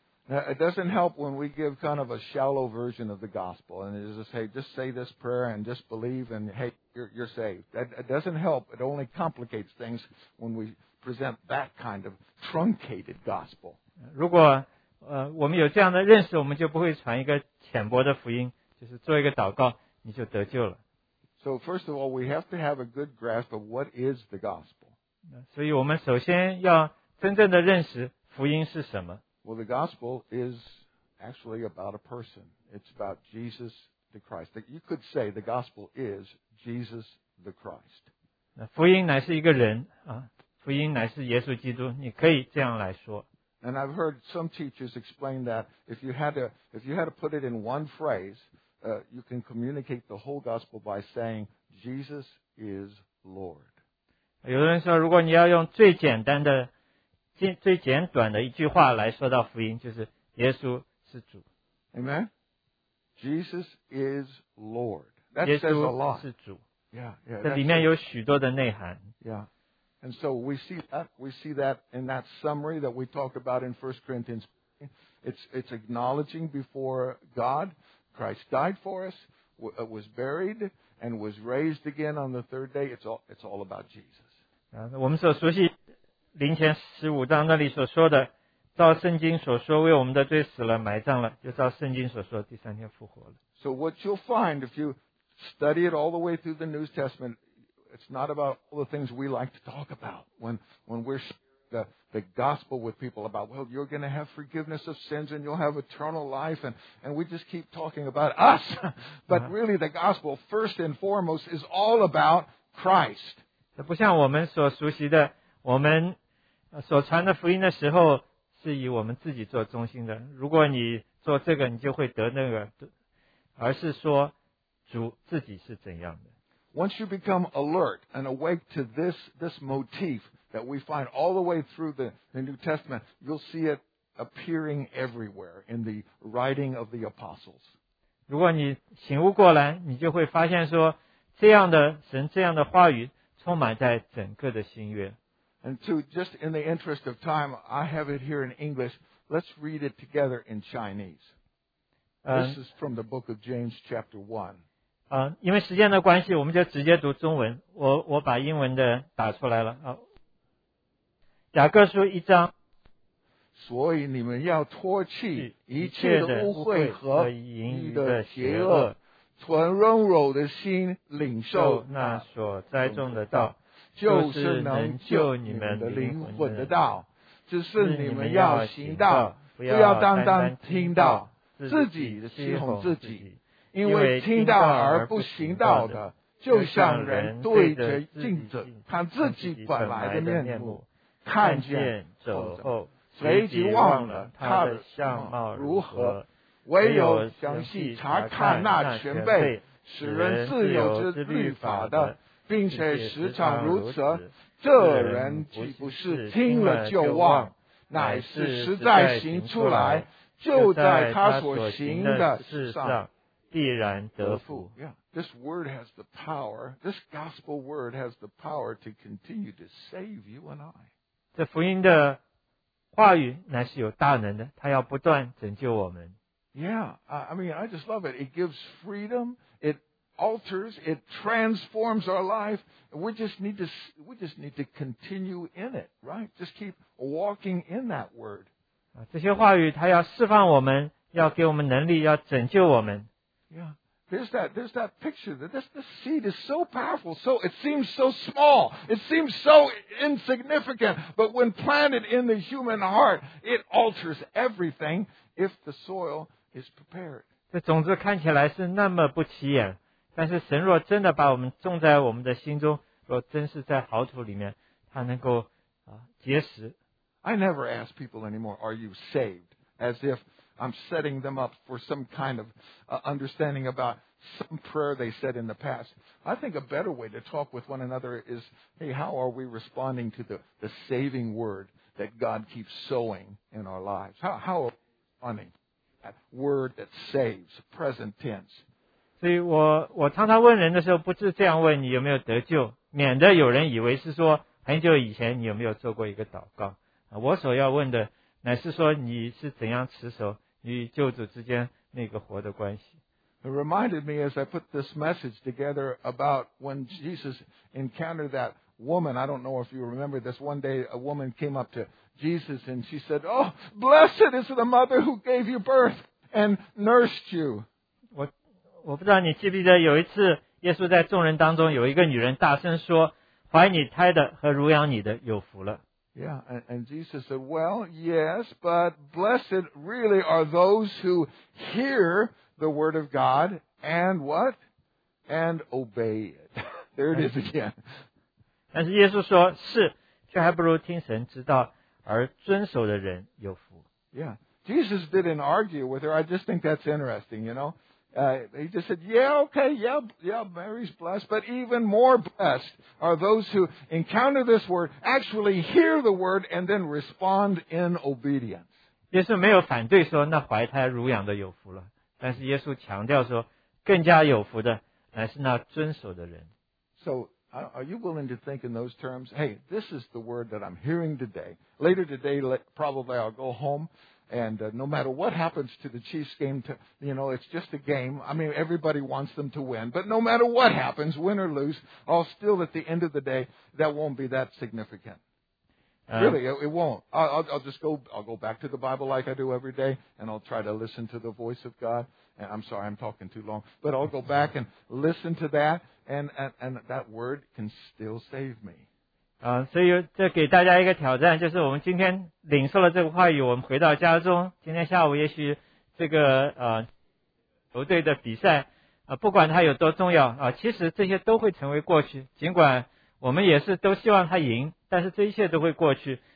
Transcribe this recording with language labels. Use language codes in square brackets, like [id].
[en] Now, it doesn't help when we give kind of a shallow version of the gospel and just say, this prayer and just believe and hey, you're saved. It doesn't help. It only complicates things when we present that kind of truncated gospel. [zh] 如果我们有这样的认识，我们就不会传一个浅薄的福音，就是做一个祷告，你就得救了。 [en] So first of all, we have to have a good grasp of what is the gospel. [zh] 所以我们首先要真正的认识福音是什么。 [en] Well, the gospel is actually about a person. It's about Jesus the Christ. You could say the gospel is Jesus the Christ. [zh] 福音乃是一个人啊，福音乃是耶稣基督，你可以这样来说。 [en] And I've heard some teachers explain that if you had to put it in one phrase, you can communicate the whole gospel by saying Jesus is Lord. [zh] 有人说，如果你要用最简单的最简短的一句话来说到福音，就是耶稣是主。 [en] Amen. Jesus is Lord. [zh] 耶稣是主。 Yeah. 这里面有许多的内涵。 Yeah. [en] And so we see that in that summary that we talked about in 1 Corinthians. It's acknowledging before God, Christ died for us, was buried, and was raised again on the third day. It's all about Jesus. [zh] 我们所熟悉。灵前十五章那里所说的，照圣经所说，为我们的罪死了，埋葬了，就照圣经所说，第三天复活了。 [en] So what you'll find if you study it all the way through the New Testament, it's not about all the things we like to talk about when we're sharing the gospel with people about, well, you're going to have forgiveness of sins and you'll have eternal life, and we just keep talking about us. But really, the gospel first and foremost is all about Christ. [zh] 不像我们所熟悉的，我们所传的福音的时候是以我们自己做中心的，如果你做这个你就会得那个，而是说主自己是怎样的。 [en] Once you become alert and awake to this motif that we find all the way through the New Testament, you'll see it appearing everywhere in the writing of the apostles. [zh] 如果你醒悟过来，你就会发现说，这样的神，这样的话语充满在整个的新约。 [en] And to just in the interest of time, I have it here in English. Let's read it together in Chinese. This is from the book of James, chapter 1. [zh] 因为时间的关系我们就直接读中文，我把英文的打出来了。雅各书一章，所以你们要脱去一切的污秽和淫欲的邪恶，存温柔的心，领受那所栽种的道，就是能救你们灵魂的道。只是你们要行道，不要单单听到，自己欺哄自己，因为听到而不行道的，就像人对着镜子看自己本来的面目，看见走后随即忘了他的相貌如何，唯有详细查看那全备使人自由之律法的，并且时常如此，这人岂不是听了就忘，乃是实在行出来，就在他所行的事上必然得福。 [en] Yeah, this word has the power, this gospel word has the power to continue to save you and I. [zh] 这福音的话语乃是有大能的，它要不断拯救我们。 [en] Yeah, I mean, I just love it. It gives freedom, it alters, it transforms our life. We just need to continue in it, right? Just keep walking in that word. [zh] 这些话语它要释放我们，要给我们能力，要拯救我们。 [en] Yeah, there's that picture that this seed is so powerful, so it seems so small, it seems so insignificant, but when planted in the human heart, it alters everything if the soil is prepared. [zh] 这种子看起来是那么不起眼，但是神若真的把我们种在我们的心中，若真是在好土里面，它能够结实。 [en] I never ask people anymore, are you saved? As if I'm setting them up for some kind of understanding about some prayer they said in the past. I think a better way to talk with one another is, hey, how are we responding to the saving word that God keeps sowing in our lives? How are we responding to that word that saves, present tense? [zh] 所以我常常问人的时候不是这样问你有没有得救，免得有人以为是说很久以前你有没有做过一个祷告。我所要问的乃是说你是怎样持守与救主之间那个活的关系。 [en] It reminded me as I put this message together about when Jesus encountered that woman. I don't know if you remember this. One day a woman came up to Jesus and she said, Oh, blessed is the mother who gave you birth and nursed you. [zh] 我不知道你记不记得有一次耶稣在众人当中有一个女人大声说，怀你胎的和乳养你的有福了。 [en] Yeah, and Jesus said, well, yes, but blessed really are those who hear the word of God and what? And obey it. There it is again. [zh] 但是耶稣说是，却还不如听神之道而遵守的人有福。 [en] Yeah, Jesus didn't argue with her. I just think that's interesting, you know. He just said, yeah, okay, yeah, Mary's blessed, but even more blessed are those who encounter this word, actually hear the word, and then respond in obedience. [zh] 耶稣没有反对说那怀胎乳养的有福了，但是耶稣强调说更加有福的乃是那遵守的人。 [en] So, are you willing to think in those terms? Hey, this is the word that I'm hearing today. Later today, probably I'll go home. And no matter what happens to the Chiefs game, you know, it's just a game. I mean, everybody wants them to win. But no matter what happens, win or lose, I'll still at the end of the day, that won't be that significant. Really, it won't. I'll go back to the Bible like I do every day, and I'll try to listen to the voice of God. And I'm sorry, I'm talking too long. But I'll go back and listen to that, and that word can still save me. [zh] 所以这给大家一个挑战，就是我们今天领受了这个话语，我们回到家中，今天下午也许这个球队的比赛不管它有多重要其实这些都会成为过去，尽管我们也是都希望他赢，但是这一切都会过去。